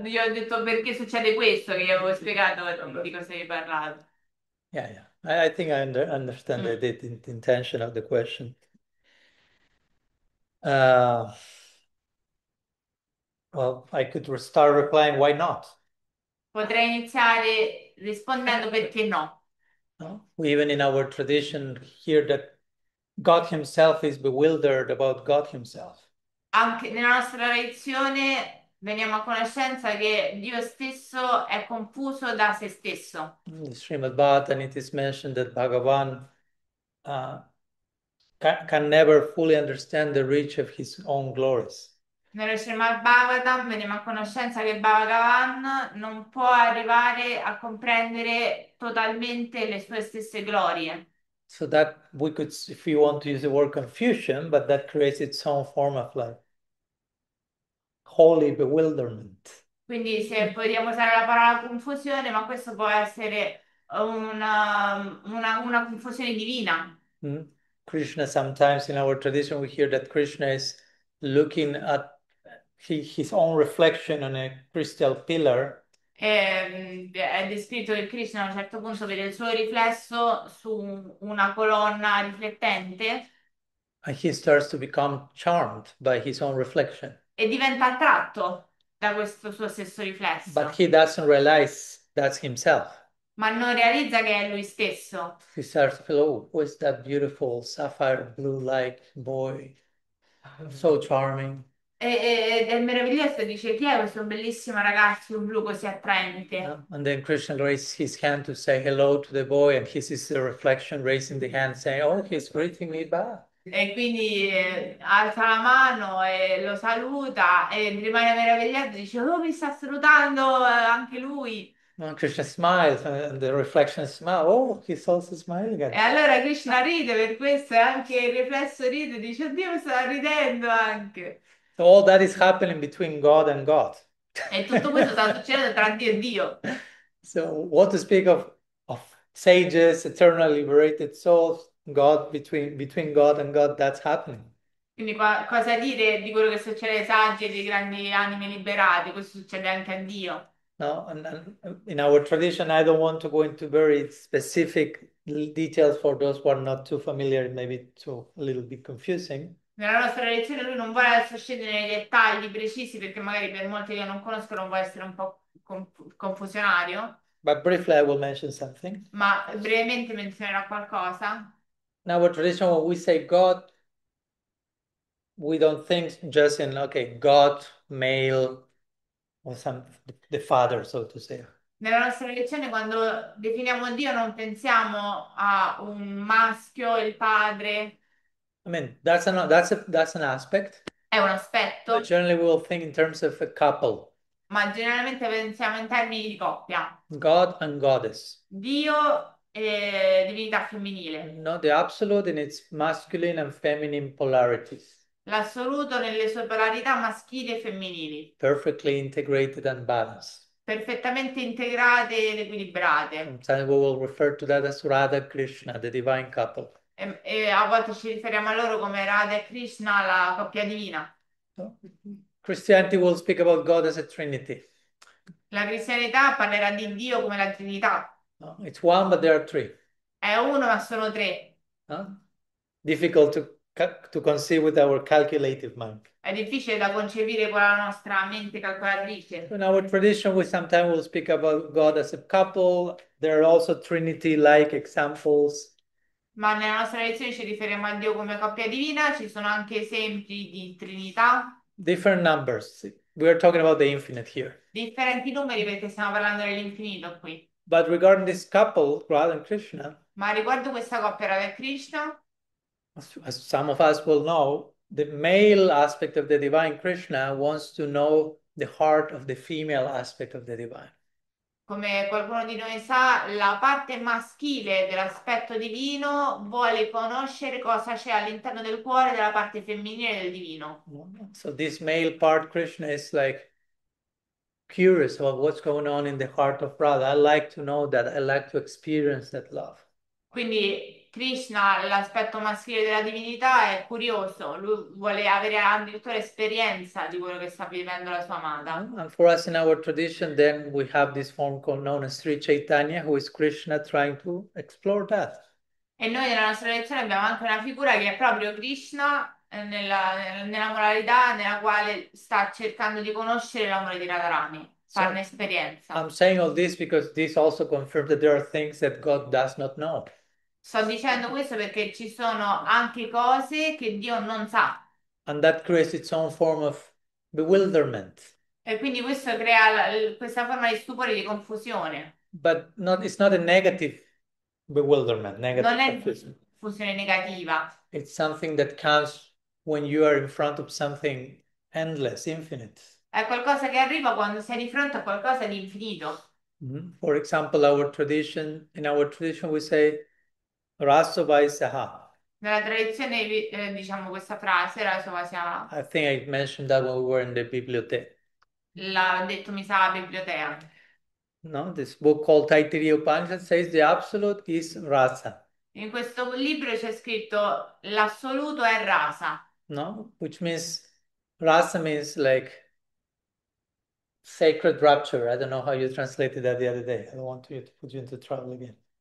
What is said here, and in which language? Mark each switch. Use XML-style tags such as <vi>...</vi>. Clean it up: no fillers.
<it>io ho detto perché succede questo, che io avevo spiegato, non dico se hai parlato.</it> <en>yeah. I think I understand the intention of the question. Well, I could start replying, why not?</en> <it>Potrei iniziare rispondendo perché no.</it> <en>No? Even in our tradition, hear that God Himself is bewildered about God Himself.</en> <it>Anche nella nostra tradizione veniamo a conoscenza che Dio stesso è confuso da se stesso.</it> <en>In Srimad Bhagavatam, it is mentioned that Bhagavan can never fully understand the reach of his own glories.</en> <it>Nello Srimad Bhagavatam veniamo a conoscenza che Bhagavan non può arrivare a comprendere totalmente le sue stesse glorie.</it> <en>So that we could, if you want to use the word confusion, but that creates its own form of like holy bewilderment.</en> <it>Quindi se vogliamo usare la parola confusione, ma questo può essere una confusione divina.</it> <en>Krishna, sometimes in our tradition, we hear that Krishna is looking at his own reflection on a crystal pillar.</en> <it>È descritto che Krishna a un certo punto vede il suo riflesso su una colonna riflettente.</it> <en>And he starts to become charmed by his own reflection.</en> <it>diventa attratto da questo suo stesso</it> <en>But</en> <it>riflesso,</it> <en>he doesn't realize that's himself.</en> <it>ma non realizza che è lui stesso.</it> <en>He starts to feel, oh, who is that beautiful sapphire blue like boy? So charming.</en> <it>Ed è meraviglioso, dice, chi è questo bellissimo ragazzo in blu così attraente?</it> <en>And then Krishna raises his hand to say hello to the boy, and he sees the reflection raising the hand saying, oh, he's greeting me back.</en> <it>E quindi alza la mano e lo saluta e rimane meravigliato, dice, oh, mi sta salutando anche lui.</it> <en>And Krishna smiles, and the reflection smiles. Oh, he's also smiling</en> <it>E</it> <en>again.</en> <it>allora Krishna ride per questo, e anche il riflesso ride, dice, oddio, mi sta ridendo anche.</it> <en>So all that is happening between God and God.</en> <it>E tutto questo sta succedendo tra Dio e Dio.</it> <en>So, what to speak of sages, eternally liberated souls, God between God and God, that's happening.</en> <it>Quindi cosa dire di quello che succede ai saggi e ai grandi anime liberate? Questo succede anche a Dio.</it> <en>No, and in our tradition, I don't want to go into very specific details for those who are not too familiar, maybe too a little bit confusing.</en> <it>Nella nostra lezione lui non vuole adesso scendere nei dettagli precisi perché magari per molti che non conoscono può essere un po' confusionario,</it> <en>But briefly, I will mention something.</en> <it>ma brevemente menzionerà qualcosa.</it> <en>In our tradition, when we say God, we don't think just in, okay, God, male. Or some the father, so to say.</en> <it>Nella nostra lezione quando definiamo Dio non pensiamo a un maschio, il padre.</it> <en>I mean, that's an aspect,</en> <it>È un</it> <en>but</en> <it>aspetto,</it> <en>generally we will think in terms of a couple.</en> <it>ma generalmente pensiamo in termini di coppia.</it> <en>God and goddess.</en> <it>Dio e divinità femminile.</it> <en>Not the absolute in its masculine and feminine polarities.</en> <it>L'assoluto nelle sue polarità maschili e femminili.</it> <en>Perfectly integrated and balanced.</en> <it>Perfettamente integrate ed equilibrate.</it> <en>Sometimes we will refer to that as Radha Krishna, the divine couple.</en> <it>E a volte ci riferiamo a loro come Radha e Krishna, la coppia divina.</it> <en>Christianity will speak about God as a Trinity.</en> <it>La cristianità parlerà di Dio come la Trinità.</it> <en>No, it's one, but there are three.</en> <it>È uno, ma sono tre.</it> <en>No? Difficult to conceive with our calculative mind.</en> <it>È difficile da concepire con la nostra mente calcolatrice.</it> <en>In our tradition, we sometimes will speak about God as a couple. There are also Trinity-like examples.</en> <it>Ma nella nostra lezione ci riferiamo a Dio come coppia divina, ci sono anche esempi di Trinità,</it> <en>Different numbers. We are talking about the infinite here.</en> <it>differenti numeri perché stiamo parlando dell'infinito qui.</it> <en>But regarding this couple, Radha and Krishna,</en> <it>Ma riguardo questa coppia, Radha e Krishna,</it> <en>as some of us will know, the male aspect of the divine Krishna wants to know the heart of the female aspect of the divine.</en> <it>come qualcuno di noi sa, la parte maschile dell'aspetto divino vuole conoscere cosa c'è all'interno del cuore della parte femminile del divino.</it> <en>So this male part, Krishna, is like curious about what's going on in the heart of Radha. I like to know that. I like to experience that love.</en> <it>Quindi Krishna, l'aspetto maschile della divinità, è curioso, lui vuole avere addirittura esperienza di quello che sta vivendo la sua amata.</it> <en>And for us in our tradition, then we have this form called known as Sri Chaitanya, who is Krishna trying to explore that.</en> <it>E noi nella nostra lezione abbiamo anche una figura che è proprio Krishna nella moralità nella quale sta cercando di conoscere l'amore di Radharani, farne</it> <en>So</en> <it>esperienza.</it> <en>I'm saying all this because this also confirms that there are things that God does not know.</en> <it>Sto dicendo questo perché ci sono anche cose che Dio non sa.</it> <en>And that creates its own form of bewilderment.</en> <it>E quindi questo crea questa forma di stupore, di confusione.</it> <en>But not, it's not a negative bewilderment,</en> <it>Non</it> <en>negative</en> <it>è</it> <en>confusion.</en> <it>fusione negativa.</it> <en>It's something that comes when you are in front of something endless, infinite.</en> <it>È qualcosa che arriva quando sei di fronte a qualcosa di infinito.</it> <en>For example, in our tradition we say Rasova Isaha.</en> <it>Nella tradizione diciamo questa frase,</it> <en>I think I mentioned that when we were in the bibliothèque.</en> <it>l'ha detto, mi sa, la biblioteca.</it> <en>No, this book called Taittiriya Upanishad says the absolute is rasa.</en> <it>In questo libro c'è scritto l'assoluto è rasa.</it> <en>No, which means rasa means like sacred rapture. I don't know how you translated that the other day. I don't want you to put you into trouble again.</en>